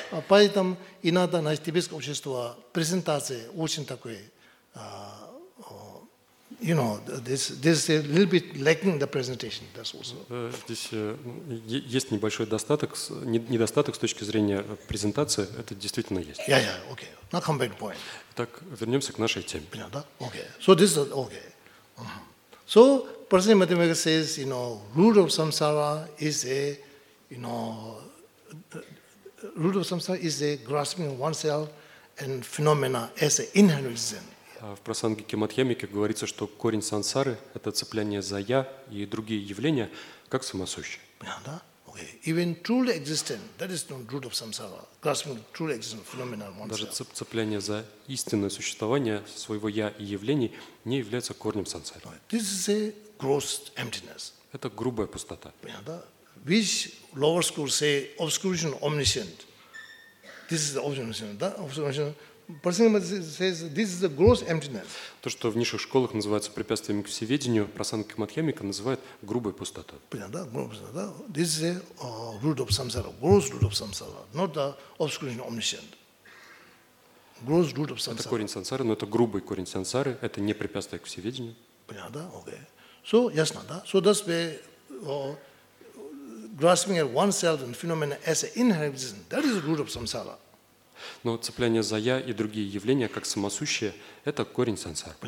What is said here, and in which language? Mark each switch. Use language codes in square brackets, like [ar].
[ru] Поэтому и надо, значит, тибетское общество, презентация очень такой, [en] you know, this is a little bit lacking the presentation. That's also. [ru] Здесь есть небольшой достаток, недостаток с точки зрения презентации. Это действительно есть. [en] Yeah, okay. Now come back to point. [ru] Так, вернемся к нашей теме. Понятно, да? [en] Okay. So this is okay. So Prasanna Madhyamika says, you know, root of samsara is a, you know, root of samsara is a grasping oneself and phenomena as an inherent reason. [ru] В прасангике мадхьямике говорится, что корень сансары – это цепляние за «я» и другие явления, как самосущие. Да? Okay. [en] Even truly existent, that is not root of samsara, grasping truly existent phenomena oneself. [ru] Даже цепляние за истинное существование своего «я» и явлений не является корнем сансары. [en] This is a gross emptiness. [ru] Это грубая пустота. [en] Да? Which lower school say obscuration omniscient. This is the omniscient, да? Obscuration. Prasanna Madhyamika says this is a gross emptiness. [ru] То, что в низших школах называется препятствиями к всеведению, Prasanna Madhyamika называет грубой пустотой. Понятно, да? Грубо, да? [en] This is a root of samsara, gross root of samsara, not the obscuration omniscient. Gross root of samsara. [ru] Это корень сансары, но это грубый корень сансары, это не препятствие к всеведению. Понятно, да? Okay. So, ясно, да? [en] So, that's why grasping at oneself and phenomena as an inherent reason, that is the root of samsara. [ru] Но цепляние за «я» и другие явления, как самосущие, это корень сансары.